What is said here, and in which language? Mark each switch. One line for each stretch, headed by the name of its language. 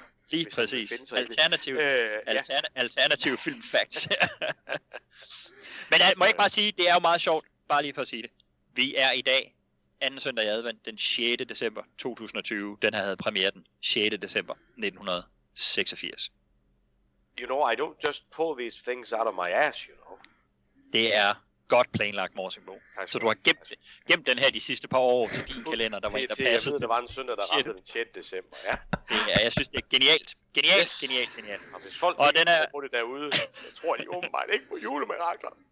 Danish: Lige præcis. Alternative film facts. Men må jeg ikke bare sige, det er jo meget sjovt, bare lige for at sige det. Vi er i dag, anden søndag i advent, den 6. december 2020. Den her havde premiere den 6. december 1986.
English: You know, I don't just pull these things out of my ass, you know.
Danish: Det er godt planlagt, Morsingbo. Så du har gemt den her de sidste par år til din kalender, der var en, der passede til. Jeg ved, det var en søndag, der ramte den 6. december, ja. Ja, jeg synes, det er genialt. Genialt. Og hvis folk ikke er på det derude, så tror de åbenbart ikke på julemirakler.